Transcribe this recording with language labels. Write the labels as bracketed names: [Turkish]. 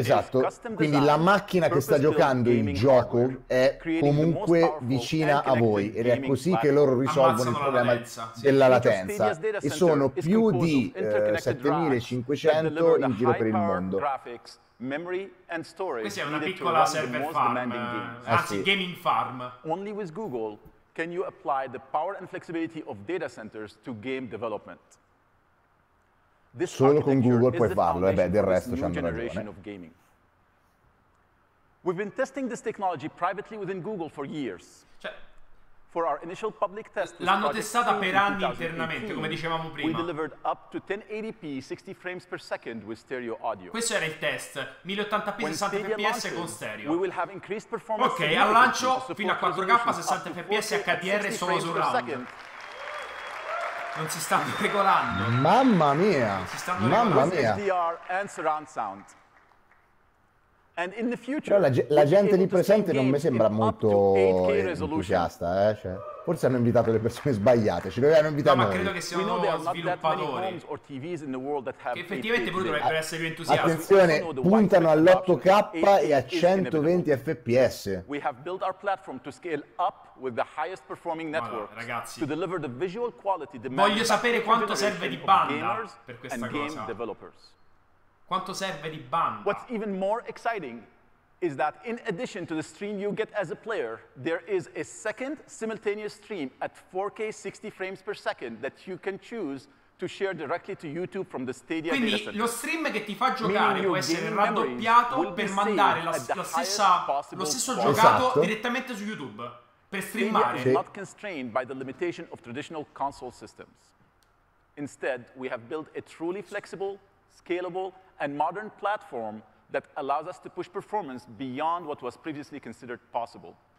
[Italian] Esatto, quindi la macchina che sta giocando il gioco è comunque vicina a voi ed è così che loro risolvono il problema della latenza e sono più di 7500 in giro per il mondo. [English] Memory and storage. [Italian] Questa è una piccola server farm, anzi gaming farm. [English] Only with Google can you apply the power and flexibility of data centers to game development. [Italian] This solo con Google puoi farlo, e beh, del resto ci hanno ragione. [English] We've been testing this technology privately within Google for years. For our initial public test, [Italian] l'hanno testata per anni internamente, come dicevamo prima. [English] We delivered up to 1080p 60 frames per second with stereo audio. [Italian] Questo era il test, 1080p 60fps con stereo. [English] We will have increased performance. [Italian] Ok, al lancio fino a 4K 60fps HDR solo sul round. Non si stanno regolando. Mamma mia! Mamma mia! [English] HDR and surround sound. And in the future, [Italian] però la gente lì presente non mi sembra molto entusiasta, cioè, forse hanno invitato le persone sbagliate, ci dovevano invitare Ma credo che siano sviluppatori, che effettivamente pure dovrebbero essere più entusiasti. Attenzione, puntano all'8K e a 120fps. [English] We have built our platform to scale up with the highest performing network. [Italian] Ragazzi, [English] to deliver the visual quality demand. [Italian] Voglio sapere quanto serve di banda per questa cosa. Quanto serve di banda? [English] What's even more exciting is that in addition to the stream you get as a player, there is a second simultaneous stream at 4K 60 frames per second that you can choose to share directly to YouTube from the Stadia. [Italian] Quindi lo stream che ti fa giocare può essere raddoppiato per mandare lo stesso giocato direttamente su YouTube per streamare. [English] Stadia is not constrained by the limitation of traditional console systems. Instead, we have built a truly flexible, scalable and modern platform that allows us to push performance beyond what was previously considered possible.